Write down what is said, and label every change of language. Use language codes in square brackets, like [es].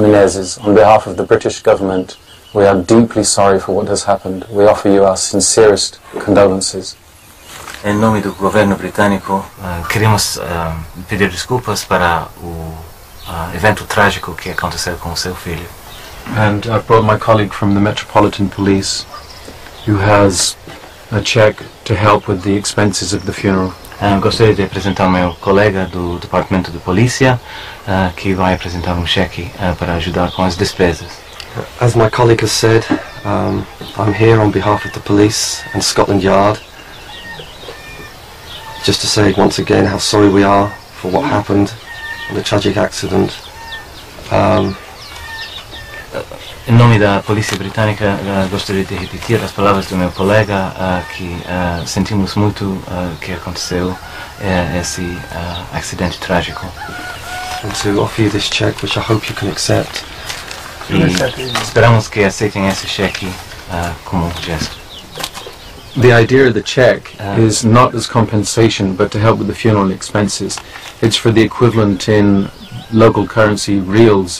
[en] Menezes, on behalf of the British government, we are deeply sorry for what has happened. We offer you our sincerest condolences. [pt] Em nome do governo britânico, queremos pedir desculpas para o evento trágico que aconteceu com o seu filho. [en] And I've brought my colleague from the Metropolitan Police, who has a check to help with the expenses of the funeral. [pt] Gostaria de apresentar meu colega do Departamento de Polícia, que vai apresentar cheque para ajudar com as despesas. [en] As my colleague has said, I'm here on behalf of the police and Scotland Yard, just to say once again how sorry we are for what happened and the tragic accident. [pt] Em nome da Polícia Britânica, gostaria de repetir as palavras do meu colega, que sentimos muito que aconteceu esse acidente trágico. [en] And to offer you this check, which I hope you can accept. [pt] Esperamos que aceitem esse cheque como gesto. [en] The idea of the check is not as compensation, but to help with the funeral expenses. It's for the equivalent in local currency, reals.